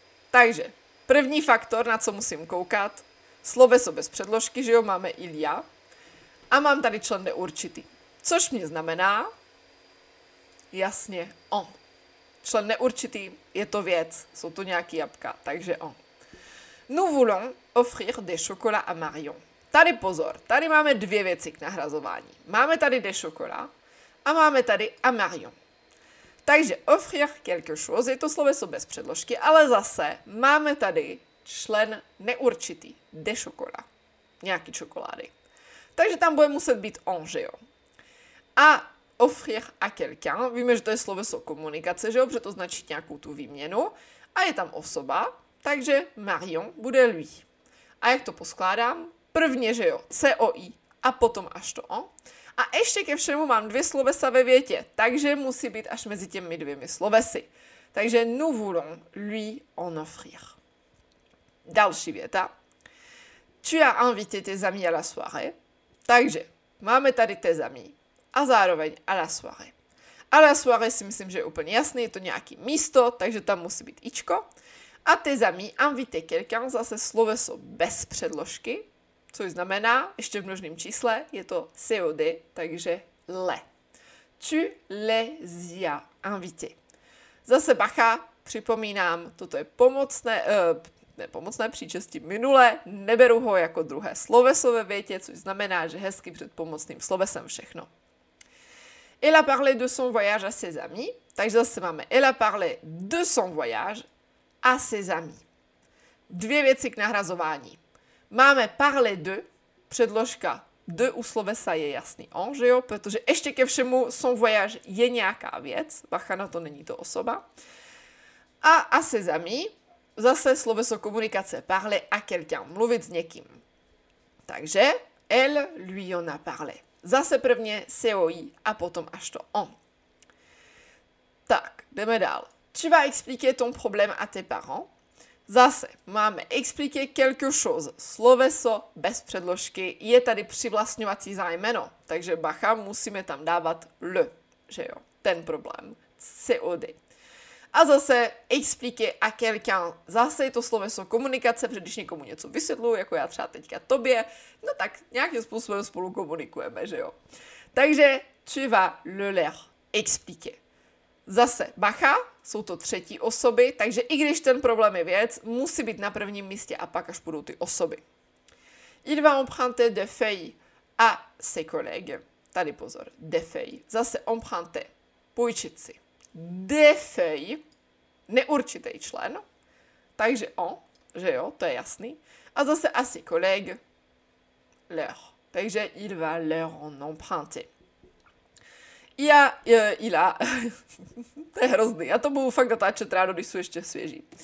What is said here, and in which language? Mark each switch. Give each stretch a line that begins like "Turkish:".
Czech: Takže, první faktor, na co musím koukat, sloveso bez předložky, že jo, máme Ilia. A mám tady člen neurčitý. Což mě znamená, jasně, on. Člen neurčitý, je to věc, jsou to nějaký jabka, takže on.
French: Nous voulons offrir des chocolats à Marion.
Czech: Tady pozor, tady máme dvě věci k nahrazování. Máme tady
French: des chocolats
Czech: a máme tady à Marion. Takže
French: offrir quelque chose,
Czech: je to sloveso bez předložky, ale zase máme tady člen neurčitý,
French: des chocolats,
Czech: nějaký čokolády. Takže tam bude muset být on, že jo. A
French: offrir à quelqu'un,
Czech: víme, že to je sloveso komunikace, že jo, protože to značí nějakou tu výměnu, a je tam osoba, takže Marion bude lui. A jak to poskládám? Prvně, že jo, COI a potom až to O. A ještě ke všemu mám dvě slovesa ve větě, takže musí být až mezi těmi dvěmi slovesy.
French: Takže nous voulons lui en offrir.
Czech: Další věta.
French: Tu as invité tes amis à la soirée.
Czech: Takže máme tady
French: tes amis.
Czech: A zároveň
French: à la soirée. À la soirée
Czech: si myslím, že je úplně jasný, je to nějaký místo, takže tam musí být ičko. A
French: tes amis invité quelqu'un,
Czech: zase sloveso bez předložky, což znamená, ještě v množném čísle, je to COD, takže le.
French: Tu les as invité.
Czech: Zase bacha, připomínám, toto je pomocné příčestí minule, neberu ho jako druhé sloveso ve větě, což znamená, že hezky před pomocným slovesem všechno.
French: Il a parlé de son voyage à ses amis,
Czech: takže zase máme
French: il a parlé de son voyage à ses amis.
Czech: Dvě věci k nahrazování. Máme parler de, předložka de u slovesa je jasný on, že jo, protože ještě ke všemu
French: son voyage
Czech: je nějaká věc, bacha na to, není to osoba. A
French: ses amis,
Czech: zase sloveso komunikace,
French: parler à quelqu'un,
Czech: mluvit s někým.
French: Takže elle lui en a parlé.
Czech: Zase prvně COI a potom až to on. Tak, jdeme dál.
French: Tu vas expliquer ton problème à tes parents.
Czech: Zase máme
French: expliquer quelque chose.
Czech: Sloveso bez předložky je tady přivlastňovací zájmeno. Takže bacha, musíme tam dávat le, že jo, ten problém. COD. A zase
French: expliquer à quelqu'un.
Czech: Zase je to sloveso komunikace, protože když někomu něco vysvětluji, jako já třeba teďka tobě, no tak nějakým způsobem spolu komunikujeme, že jo.
French: Takže tu vas le leur expliquer.
Czech: Zase bacha, jsou to třetí osoby, takže i když ten problém je věc, musí být na prvním místě a pak až budou ty osoby.
French: Il va emprunter des feuilles à ses collègues.
Czech: Tady pozor,
French: des feuilles.
Czech: Zase emprunter, půjčit si.
French: Des feuilles,
Czech: neurčitý člen. Takže on, že jo, to je jasný. A zase
French: à ses collègues, leur. Takže il va leur en emprunter.
Czech: Ila, to je hrozný, já to budu fakt natáčet ráno, když jsou ještě svěží.